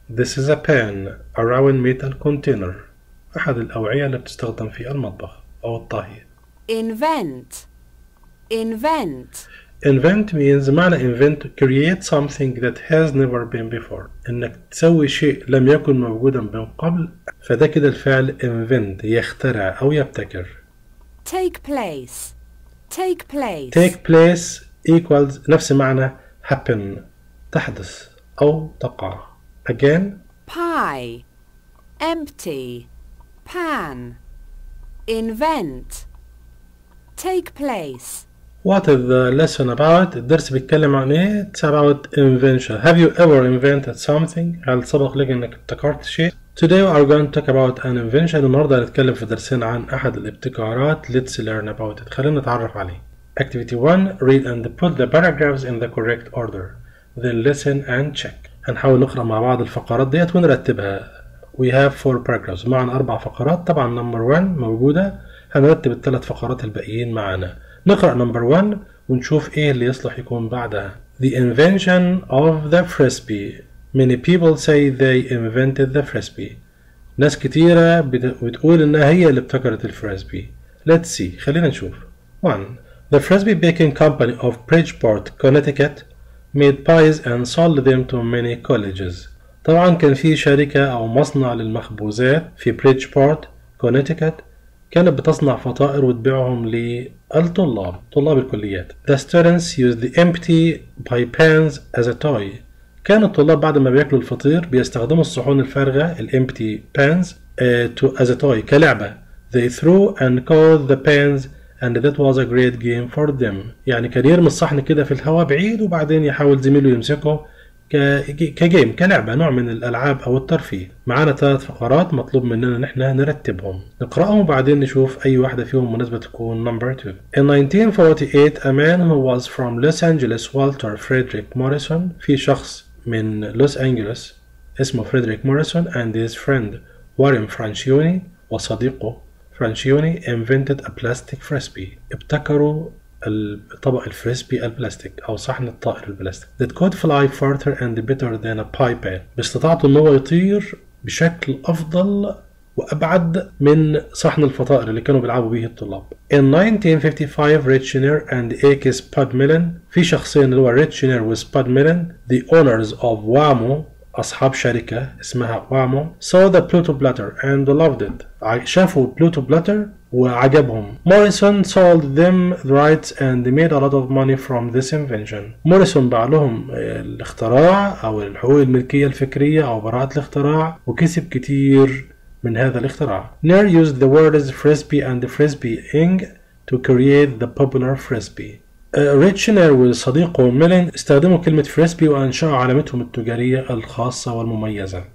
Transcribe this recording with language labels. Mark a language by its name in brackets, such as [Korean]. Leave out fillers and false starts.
[English] This is a pan, a round metal container. [Arabic] احد الاوعية اللي بتستخدم في المطبخ او الطهي. [English] Invent. Invent. Invent means معنى invent create something that has never been before. [Arabic] إنك تسوي شيء لم يكن موجودا من قبل، فده كده الفعل invent، يخترع أو يبتكر. [English] Take place. Take place. Take place equals [Arabic] نفس معنى happen، تحدث أو تقع. [English] Again. Pie. Empty. Pan. Invent. Take place. What is the lesson about? [Arabic] الدرس بيتكلم عن ايه؟ [English] It's about invention. Have you ever invented something؟ [Arabic] هل سبق لك انك ابتكرت شيء؟ [English] Today we are going to talk about an invention. [Arabic] المرة دي هنتكلم في درسين عن احد الابتكارات. [English] Let's learn about it. [Arabic] خلينا نتعرف عليه. [English] Activity 1. Read and put the paragraphs in the correct order. Then listen and check. [Arabic] هنحاول نقرأ مع بعض الفقرات ديت ونرتبها. [English] We have 4 paragraphs. [Arabic] معنا 4 فقرات. طبعا number 1 موجودة. هنرتب الثلاث فقرات الباقيين معنا. نقرأ number 1 ونشوف ايه اللي يصلح يكون بعدها. [English] The invention of the frisbee. Many people say they invented the frisbee. [Arabic] ناس كتيرة بتقول انها هي اللي ابتكرت الفريسبي. [English] Let's see. [Arabic] خلينا نشوف. 1. [English] The Frisbee Baking Company of Bridgeport, Connecticut made pies and sold them to many colleges. [Arabic] طبعا كان في شركة او مصنع للمخبوزات في Bridgeport, Connecticut، كانت بتصنع فطائر وتبيعهم للطلاب، طلاب الكليات. [English] The students use the empty pie pans as a toy. [Arabic] كان الطلاب بعد ما بياكلوا الفطير بيستخدموا الصحون الفارغة الـ [English] empty pans as a toy، [Arabic] كلعبة. [English] They threw and caught the pans and that was a great game for them. [Arabic] يعني كان يرمي الصحن كده في الهواء بعيد وبعدين يحاول زميله يمسكه كجيم، كلعبة، نوع من الألعاب أو الترفيه. معانا 3 فقرات مطلوب مننا نحن نرتبهم، نقرأهم وبعدين نشوف أي واحدة فيهم مناسبة تكون number 2. [English] In 1948 a man who was from Los Angeles, Walter Frederick Morrison. [Arabic] في شخص من لوس أنجلوس اسمه فريدريك موريسون [English] and his friend [Arabic] Warren Franchione، وصديقه Franchione، [English] invented a plastic frisbee. [Arabic] ابتكروا الطبق الفريسبي البلاستيك او صحن الطائر البلاستيك. [English] That could fly farther and better than a pie pan. [Arabic] باستطاعته ان هو يطير بشكل افضل وابعد من صحن الفطائر اللي كانوا بيلعبوا به الطلاب. [English] In 1955 Ritchener and A.K.'s Spud Millen. [Arabic] في شخصين اللي هو [English] Ritchener و Spud Millen، the owners of Wamo، [Arabic] اصحاب شركة اسمها [English] Wamo، saw the Pluto Platter and loved it. [Arabic] شافوا Pluto Platter وعجبهم. [English] Morrison sold them the rights and made a lot of money from this invention. [Arabic] موريسون باع لهم الاختراع او الحقوق الملكية الفكرية او براءة الاختراع وكسب كتير من هذا الاختراع. [English] Near used the words frisbee and frisbee ink to create the popular frisbee. [Arabic] ريتشنر وصديقه ميلين استخدموا كلمة فريسبي وانشأوا علامتهم التجارية الخاصة والمميزة.